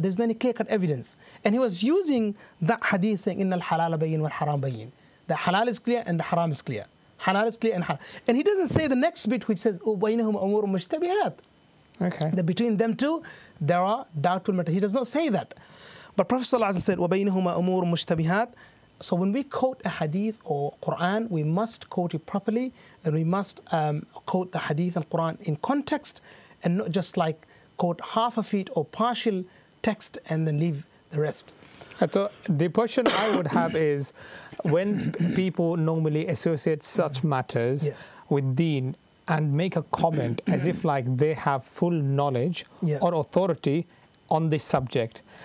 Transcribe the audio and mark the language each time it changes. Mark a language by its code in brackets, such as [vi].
[en] There's no any clear-cut evidence. And he was using that hadith saying, [ar] إِنَّ الْحَلَالَ بَيِّنْ وَالْحَرَامَ بَيِّنْ. [en] The halal is clear and the haram is clear. Halal is clear and haram. And he doesn't say the next bit, which says, [ar] وَبَيْنَهُمْ أُمُورٌ مُشْتَبِهَاتٌ. [en] Okay. That between them two, there are doubtful matters. He does not say that. But Prophet ﷺ said, [ar] وَبَيْنَهُمَا أُمُورٌ مُشْتَبِهَاتٌ. [en] So when we quote a hadith or Quran, we must quote it properly, and we must quote the hadith and Quran in context, and not just like quote half of it or partial text and then leave the rest. So the question I would have is, when people normally associate such matters with deen and make a comment as if like they have full knowledge or authority on this subject.